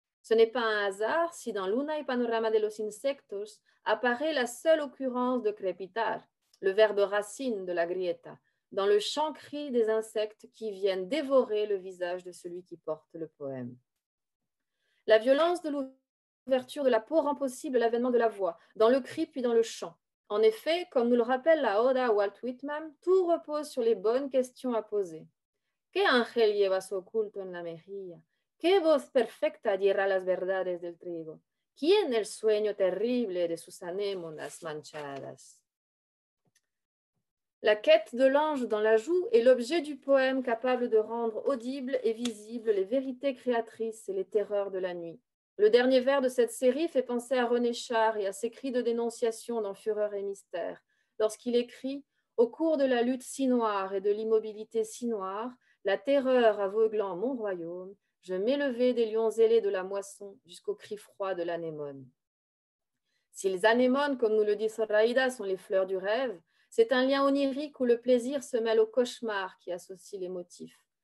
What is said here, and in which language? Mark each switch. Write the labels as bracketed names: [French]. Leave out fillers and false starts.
[French] Ce n'est pas un hasard si dans Luna y Panorama de los Insectos apparaît la seule occurrence de crepitar, le verbe racine de la grieta, dans le chant cri des insectes qui viennent dévorer le visage de celui qui porte le poème. La violence de l'ouverture de la peau rend possible l'avènement de la voix, dans le cri puis dans le chant. En effet, comme nous le rappelle la Oda à Walt Whitman, tout repose sur les bonnes questions à poser. [Spanish] ¿Qué ángel lleva su culto en la mejilla? ¿Qué voz perfecta dirá las verdades del trigo? ¿Quién el sueño terrible de sus anémonas manchadas? [French] La quête de l'ange dans la joue est l'objet du poème capable de rendre audibles et visibles les vérités créatrices et les terreurs de la nuit. Le dernier vers de cette série fait penser à René Char et à ses cris de dénonciation dans Fureur et Mystère, lorsqu'il écrit « Au cours de la lutte si noire et de l'immobilité si noire, la terreur aveuglant mon royaume, je m'élevais des lions ailés de la moisson jusqu'au cri froid de l'anémone. » Si les anémones, comme nous le dit Zoraida, sont les fleurs du rêve, c'est un lien onirique où le plaisir se mêle au cauchemar qui associe les motifs.